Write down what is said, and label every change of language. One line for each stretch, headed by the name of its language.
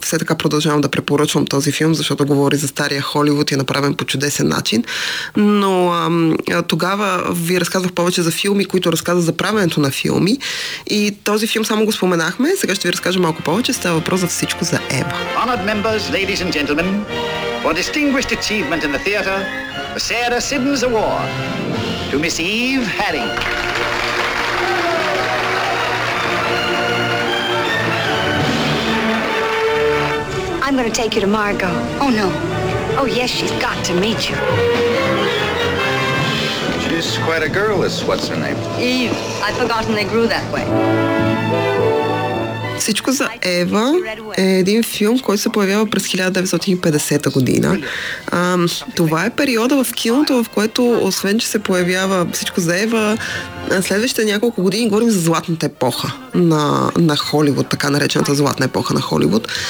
Bulgarian: Все така продължавам да препоръчвам този филм, защото говори за стария Холивуд и е направен по чудесен начин. Но тогава ви разказвах повече за филми, които разказват за правенето на филми. И този филм само го споменахме. Сега ще ви разкажа малко повече. Става въпрос за Всичко за Ева.
English: Honored members, ladies and gentlemen, for distinguished achievement in the theater, the Sarah Siddons Award to Miss Eve Harry. I'm going to take you to Margot. Oh, no. Oh, yes, she's got to meet you. She's quite a girl, this what's her name? Eve. I've forgotten they grew that way.
Bulgarian: Всичко за Ева е един филм, който се появява през 1950 година. Това е периода в киното, в което освен, че се появява Всичко за Ева, следващите няколко години говорим за златната епоха на Холивуд, така наречената златна епоха на Холивуд.